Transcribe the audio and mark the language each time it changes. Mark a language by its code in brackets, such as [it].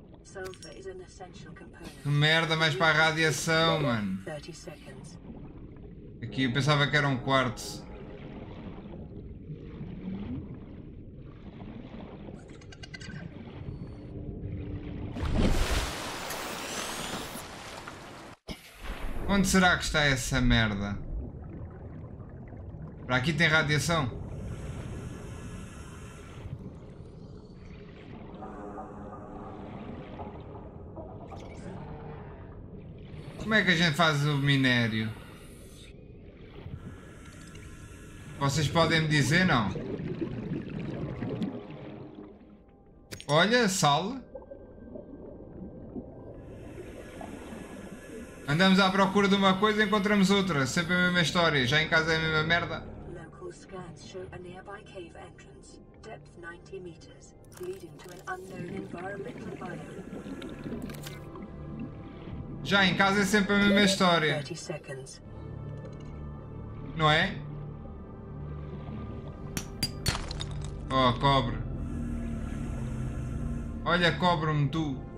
[en] Sulfur is an essential component. [pt] Que merda, mais para a radiação, mano. [en] 30 seconds. [pt] Aqui eu pensava que era um quarto. Onde será que está essa merda? Para aqui tem radiação? Como é que a gente faz o minério? Vocês podem me dizer, não? Olha, sal. Andamos à procura de uma coisa e encontramos outra. Sempre a mesma história. Já em casa é a mesma merda. [en] Local scans show a nearby cave entrance, depth 90 meters, leading to an unknown environmental biome. [pt] Já em casa é sempre a mesma história. Não é? Oh, cobre. Olha, cobre-me tu.